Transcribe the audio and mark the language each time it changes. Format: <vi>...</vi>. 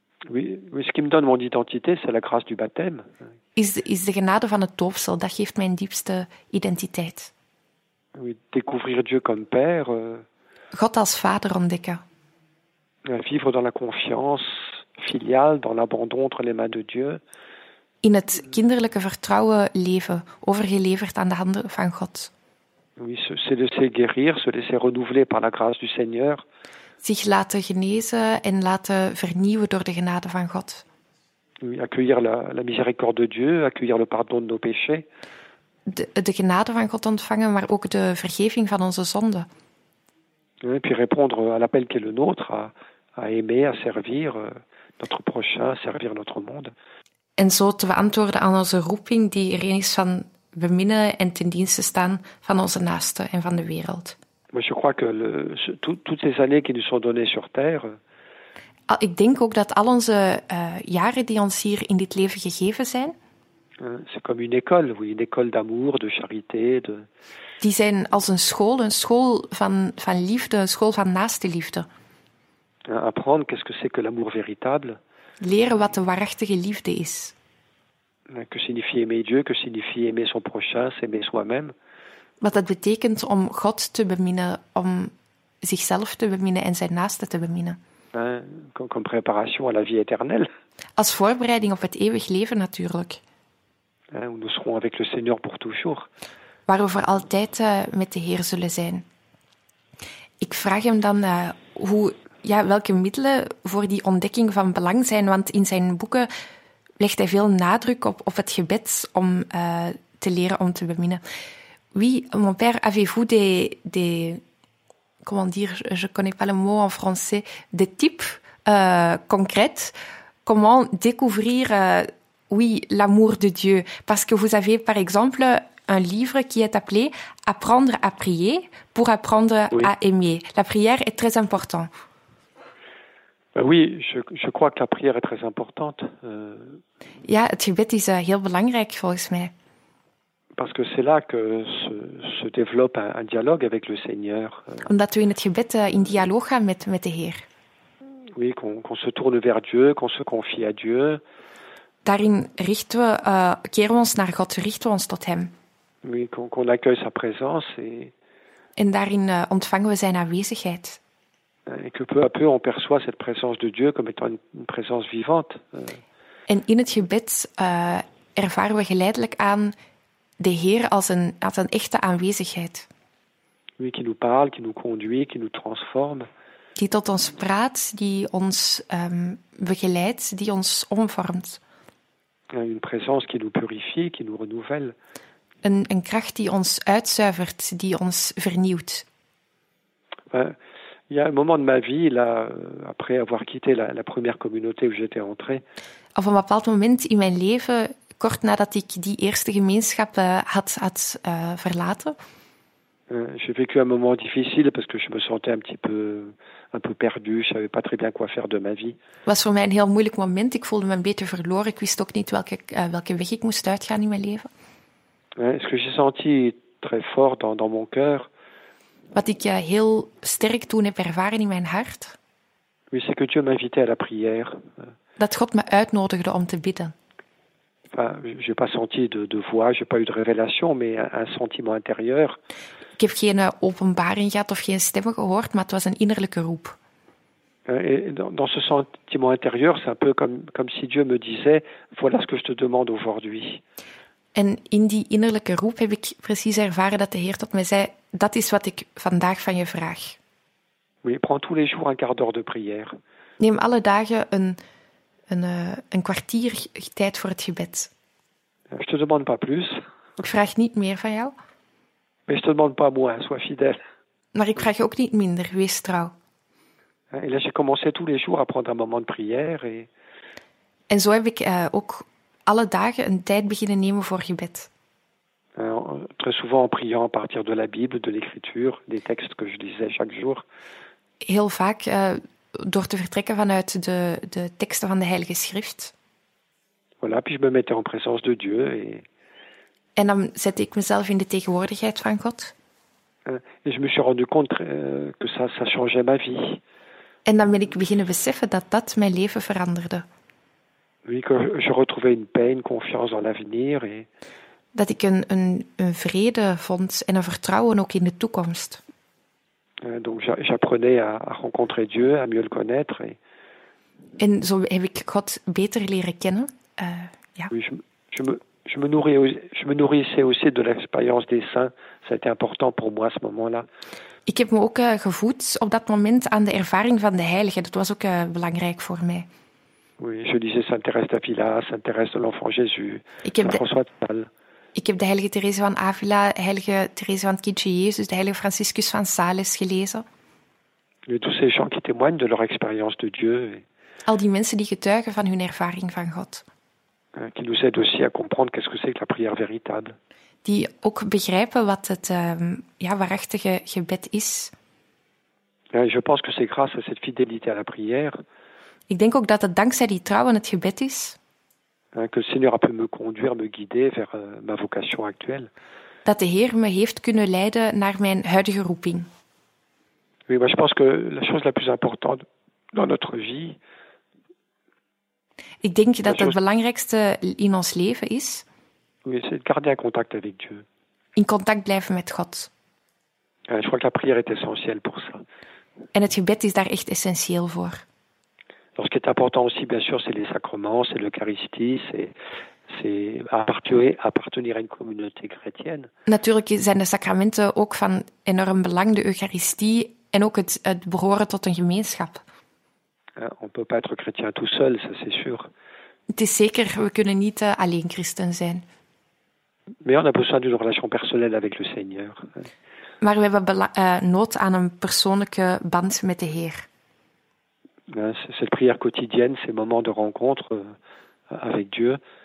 <fr>Oui, ce qui me donne mon identité, c'est la grâce du baptême.</fr> <nl>Is de genade van het doopsel, dat geeft mijn diepste identiteit.</nl> <fr>Oui, découvrir Dieu comme père.</fr> <nl>God als vader ontdekken.</nl> <fr>Vivre dans la confiance filiale, dans l'abandon entre les mains de Dieu.</fr> <nl>In het kinderlijke vertrouwen leven, overgeleverd aan de handen van God.</nl> <fr>Oui, se laisser guérir, se laisser renouveler par la grâce du Seigneur.</fr> <nl>Zich laten genezen en laten vernieuwen door de genade van God.</nl> <fr>Oui, accueillir la miséricorde de Dieu, accueillir le pardon de nos péchés.</fr> <nl>De genade van God ontvangen, maar ook de vergeving van onze zonden.</nl> <fr>Et puis répondre à l'appel qui est le nôtre, à aimer, à servir notre prochain, à servir notre monde.</fr> <nl>En zo te beantwoorden aan onze roeping die erin is van beminnen en ten dienste staan van onze naasten en van de wereld.</nl> <fr>Moi, je crois que toutes ces années qui nous sont données sur terre.</fr> <nl>Ik denk ook dat al onze jaren die ons hier in dit leven gegeven zijn.</nl> <fr>C'est comme une école, oui, une école d'amour, de charité.</fr> <nl>De... Die zijn als een school van liefde, een school van naaste liefde.</nl> <fr>Apprendre qu'est-ce que c'est que l'amour véritable.</fr> <nl>Leren wat de waarachtige liefde is.</nl> <fr>Que signifie aimer Dieu, que signifie aimer son prochain, s'aimer soi-même.</fr> <nl>Wat dat betekent om God te beminnen, om zichzelf te beminnen en zijn naaste te beminnen.</nl> <fr>Comme préparation à la vie éternelle.</fr> <nl>Als voorbereiding op het eeuwig leven natuurlijk.</nl> <fr>Où nous serons avec le Seigneur pour toujours.</fr> <nl>Waar we voor altijd met de Heer zullen zijn. Ik vraag hem dan welke middelen voor die ontdekking van belang zijn, want in zijn boeken legt hij veel nadruk op het gebed om te leren om te beminnen.</nl> <fr>Oui, mon père, avez-vous je connais pas le mot en français, des types concrets, comment découvrir... Oui, l'amour de Dieu. Parce que vous avez, par exemple, un livre qui est appelé « Apprendre à prier pour apprendre oui. à aimer ». La prière est très importante. Oui, je crois que la prière est très importante.</fr> <nl>Ja, het gebed is heel belangrijk, volgens mij.</nl> <fr>Parce que c'est là que se développe un dialogue avec le Seigneur.</fr> <nl>Omdat we in het gebed in dialoog gaan met de Heer.</nl> <fr>Oui, qu'on se tourne vers Dieu, qu'on se confie à Dieu.</fr> <nl>Daarin richten we, keren we ons naar God, richten we ons tot hem.</nl> <fr>Oui, qu'on accueille sa présence et...</fr> <nl>En daarin ontvangen we zijn aanwezigheid.</nl> <fr>Et que peu à peu on perçoit cette présence de Dieu comme étant une présence vivante.</fr> <nl>En in het gebed ervaren we geleidelijk aan de Heer als een echte aanwezigheid.</nl> <fr>Oui, qui nous parle, qui nous conduit, qui nous transforme.</fr> <nl>Die tot ons praat, die ons begeleidt, die ons omvormt.</nl> <fr>Une présence qui nous purifie, qui nous renouvelle.</fr> <nl>Een kracht die ons uitzuivert, die ons vernieuwt.</nl> <fr>Il y a un moment de ma vie, là, après avoir quitté la première communauté où j'étais entré.</fr> <nl>Op een bepaald moment in mijn leven, kort nadat ik die eerste gemeenschap had verlaten.</nl> <fr>J'ai vécu un moment difficile parce que je me sentais un peu perdu, je savais pas très bien quoi faire de ma vie.</fr> <nl>Was voor mij een heel moeilijk moment. Ik voelde me een beetje verloren. Ik wist ook niet welke weg ik moest uitgaan in mijn leven.</nl> <fr>Ce que j'ai senti très fort dans mon cœur.</fr> <nl>Wat ik heel sterk toen heb ervaren in mijn hart.</nl> <fr>Oui, c'est que Dieu m'invitait à la prière.</fr> <nl>Dat God me uitnodigde om te bidden.</nl> <fr>Enfin, j'ai pas senti de voix, j'ai pas eu de révélation, mais un sentiment intérieur.</fr> <nl>Ik heb geen openbaring gehad of geen stemmen gehoord, maar het was een innerlijke roep.</nl> <fr>Dans ce sentiment intérieur, c'est un peu comme si Dieu me disait, voilà ce que je te demande aujourd'hui.</fr> <nl>En in die innerlijke roep heb ik precies ervaren dat de Heer tot mij zei, dat is wat ik vandaag van je vraag.</nl> <fr>Oui, prends tous les jours un quart d'heure de prière.</fr> <nl>Neem alle dagen een kwartier tijd voor het gebed.</nl> <fr>Je te demande pas plus.</fr> <nl>Ik vraag niet meer van jou.</nl> <fr>Mais je te demande pas moins, sois fidèle.</fr> <nl>Maar ik vraag je ook niet minder, wees trouw.</nl> <fr>Et là, j'ai commencé tous les jours à prendre un moment de prière et...</fr> <nl>En zo heb ik ook alle dagen een tijd beginnen nemen voor gebed.</nl> <fr>Très souvent en priant à partir de la Bible, de l'écriture, des textes que je lisais chaque jour.</fr> <nl>Heel vaak door te vertrekken vanuit de teksten van de Heilige Schrift.</nl> <fr>Voilà, puis je me mettais en présence de Dieu et...</fr> <nl>En dan zette ik mezelf in de tegenwoordigheid van God.</nl> <fr>Et je me suis rendu compte que ça changeait ma vie.</fr> <nl>En dan ben ik beginnen beseffen dat mijn leven veranderde.</nl> <fr>Oui, que je retrouvais une paix, une confiance dans l'avenir et...</fr> <nl>Dat ik een vrede vond en een vertrouwen ook in de toekomst.</nl> <fr>Donc j'apprenais à rencontrer Dieu, à mieux le connaître. Et...</fr> <nl>En zo heb ik God beter leren kennen. Ja.</nl> <fr>Oui, je me nourrissais aussi de l'expérience des saints. C'était important pour moi à ce moment-là.</fr> <nl>Ik heb me ook gevoed op dat moment aan de ervaring van de heiligen. Dat was ook belangrijk voor mij.</nl> <fr>Oui, je lisais Sainte Thérèse d'Avila, Sainte Thérèse de l'Enfant Jésus, François de Sales.</fr> <nl>Ik heb de heilige Therese van Avila, heilige Therese van het Kindje Jezus, de heilige Franciscus van Sales gelezen.</nl> <fr>Et tous ces gens qui témoignent de leur expérience de Dieu. Et...</fr> <nl>Al die mensen die getuigen van hun ervaring van God.</nl> <fr>Qui nous aident aussi à comprendre qu'est-ce que c'est que la prière véritable.</fr> <nl>Die ook begrijpen wat het waarachtige gebed is.</nl> <fr>Et je pense que c'est grâce à cette fidélité à la prière.</fr> <nl>Ik denk ook dat het dankzij die trouw aan het gebed is.</nl> <fr>Que le Seigneur a pu me conduire, me guider vers ma vocation actuelle.</fr> <nl>Dat de Heer me heeft kunnen leiden naar mijn huidige roeping.</nl> <fr>Oui, moi je pense que la chose la plus importante dans notre vie.</fr> <nl>Ik denk dat het belangrijkste in ons leven is.</nl> <fr>Oui, c'est de garder un contact avec Dieu.</fr> <nl>In contact blijven met God.</nl> <fr>Je crois que la prière est essentielle pour ça.</fr> <nl>En het gebed is daar echt essentieel voor.</nl> <fr>Alors, ce qui est important aussi, bien sûr, c'est les sacrements, c'est l'Eucharistie, c'est appartenir à une communauté chrétienne.</fr> <nl>Natuurlijk zijn de sacramenten ook van enorm belang, de Eucharistie, en ook het behoren tot een gemeenschap.</nl> <fr>On ne peut pas être chrétien tout seul, ça c'est sûr.</fr> <nl>Het is zeker, we kunnen niet alleen christen zijn.</nl> <fr>Mais on a besoin d'une relation personnelle avec le Seigneur.</fr> <nl>Maar we hebben nood aan een persoonlijke band met de Heer.</nl> <fr>Cette prière quotidienne, ces moments de rencontre avec Dieu.</fr>